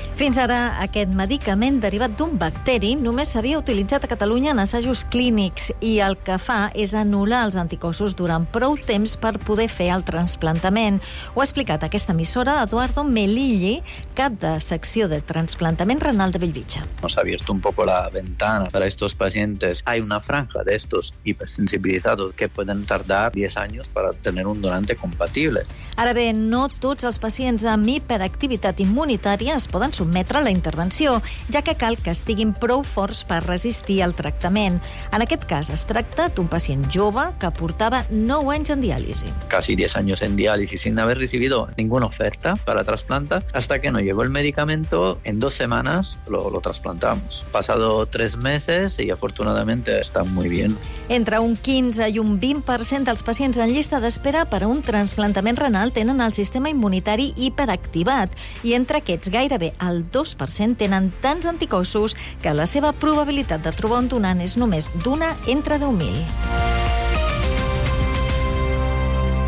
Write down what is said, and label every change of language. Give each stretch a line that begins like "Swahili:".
Catalan: Fins ara, aquest medicament derivat d'un bacteri només s'havia utilitzat a Catalunya en assajos clínics i el que fa és anul·lar els anticossos durant prou temps per poder fer el trasplantament. Ho ha explicat aquesta emissora Eduardo Melilli, cap de secció de trasplantament renal de Bellvitge.
Spanish: Nos ha abierto un poco la ventana para estos pacientes. Hay una franja de estos hipersensibilizados que pueden tardar 10 años para tener un donante compatible.
Catalan: Ara bé, no tots els pacients amb hiperactivitat immunitària es poden sotmetre a la intervenció, ja que cal que estiguin prou forts per resistir al tractament. En aquest cas, es tracta d'un pacient jove que portava 9 anys en diàlisi.
Spanish: Casi 10 años en diàlisi sin haber recibido ninguna oferta para trasplantar, hasta que no llegó el medicamento, en 2 semanas lo trasplantamos. Pasado 3 meses y afortunadamente está muy bien.
Catalan: Entre un 15 i un 20% dels pacients en llista d'espera per a un trasplantament renal tenen el sistema immunitari hiperactivat i entre aquests gairebé el 2% tenen tants anticossos que la seva probabilitat de trobar un donant és només d'una entre 10.000.